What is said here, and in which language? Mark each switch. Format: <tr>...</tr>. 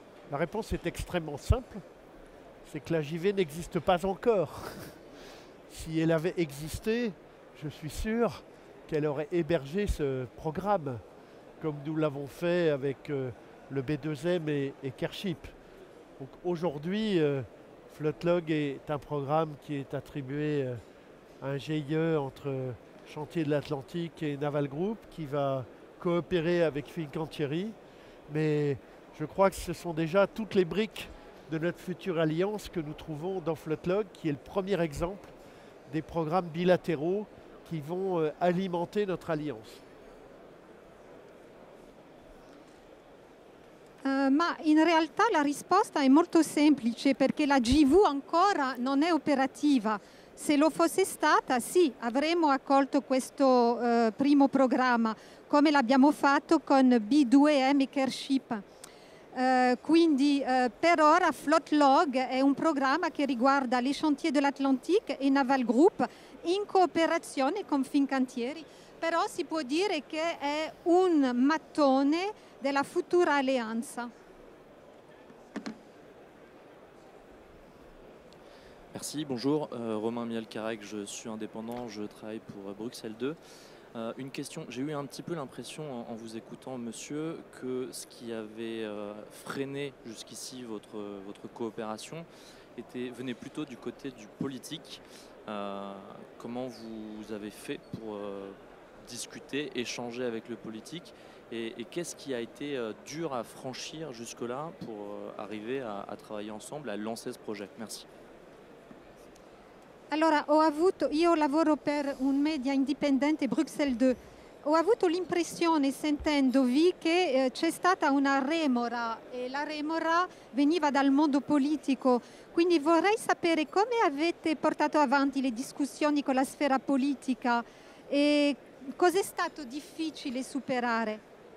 <fr>La réponse est extrêmement simple, c'est que la JV n'existe pas encore. Si elle avait existé, je suis sûr qu'elle aurait hébergé ce programme, comme nous l'avons fait avec le B2M et Careship. Donc aujourd'hui, Floatlog est un programme qui est attribué à un GIE entre Chantier de l'Atlantique et Naval Group, qui va coopérer avec Fincantieri, mais je crois que ce sont déjà toutes les briques de notre future alliance que nous trouvons dans Floatlog, qui est le premier exemple des programmes bilatéraux qui vont alimenter notre alliance.</fr> <it>Ma in realtà la risposta è molto semplice, perché la JV ancora non è operativa. Se lo fosse stata, sì, avremmo accolto questo primo programma, come l'abbiamo fatto con B2M e Careship. Quindi per ora Floatlog è un programma che riguarda les Chantiers de l'Atlantique e Naval Group in cooperazione con Fincantieri, però si può dire che è un mattone della futura alleanza.</it> <fr>Merci, bonjour, Romain Mialcarec, je suis indépendant, je travaille pour Bruxelles 2. Une question, j'ai eu un petit peu l'impression en vous écoutant, monsieur, que ce qui avait freiné jusqu'ici votre coopération venait plutôt du côté du politique. Comment vous avez fait pour discuter, échanger avec le politique et qu'est-ce qui a été dur à franchir jusque-là pour arriver à travailler ensemble, à lancer ce projet? Merci.</fr> <it>Allora, io lavoro per un media indipendente, Bruxelles 2. Ho avuto l'impressione, sentendovi, che c'è stata una remora e la remora veniva dal mondo politico. Quindi vorrei sapere come avete portato avanti le discussioni con la sfera politica e cos'è stato difficile superare.</it>